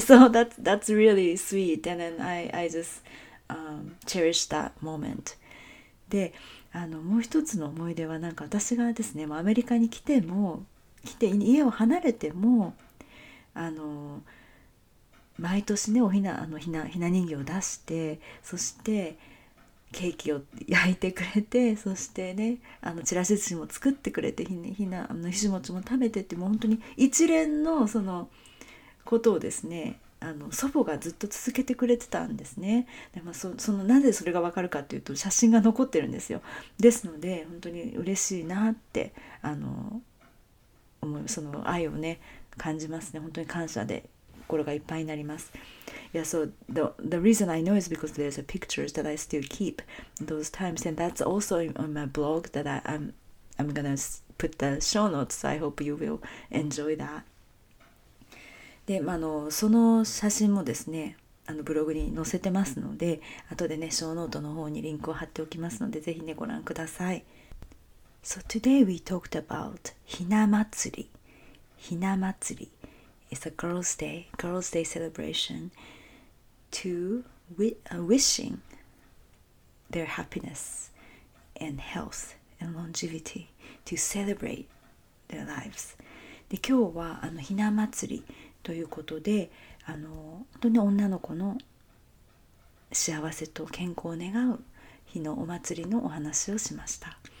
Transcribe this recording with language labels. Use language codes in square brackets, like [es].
[en] So that's really sweet, and then I just cherish that moment. [ja] で、あのもう一つの思い出は、なんか私がですね、アメリカに来ても来て家を離れても、あの毎年ね、ひな人形を出して、そしてケーキを焼いてくれて、そしてね、あのちらし寿司も作ってくれて、ひしもちも食べてって、もう本当に一連のそのことをですね、あの祖母がずっと続けてくれてたんですね。でも、そのなぜそれがわかるかっていうと、写真が残ってるんですよ。ですので本当に嬉しいなって、あの思う、その愛をね感じますね。本当に感謝で心がいっぱいになります。 [en] Yeah, so the reason I know is because there's a pictures that I still keep those times, and that's also on my blog that I'm gonna put the show notes, so I hope you will enjoy that. [ja] で、まあ、のその写真もですね、あのブログに載せてますので、後でね、ショーノートの方にリンクを貼っておきますので、ぜひねご覧ください。 [en] So today we talked about ひな祭り。 It's a girls' day celebration to wishing their happiness and health and longevity, to celebrate their lives. [ja] で、今日はあのひな祭りということで、あの本当に女の子の幸せと健康を願う日のお祭りのお話をしました。